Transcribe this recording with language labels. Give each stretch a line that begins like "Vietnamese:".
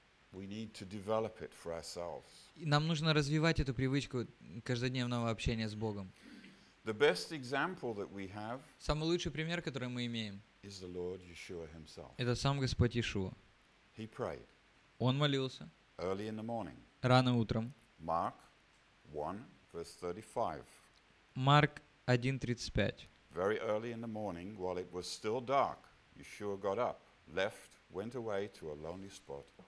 English: We need to develop it for ourselves.
Russian: Нам нужно развивать эту привычку каждодневного общения с Богом.
English: The best example that we have.
Russian: Самый лучший пример, который мы имеем.
English: Is the Lord Yeshua Himself.
Russian: Это сам Господь Иешуа.
English: He prayed.
Russian: Он молился.
English: Early in the morning.
Russian: Рано утром.
English: Mark 1, verse 35.
Russian: Марк 1:35.
English: Very early in the morning, while it was still dark, Yeshua got up, left, went away to a lonely spot.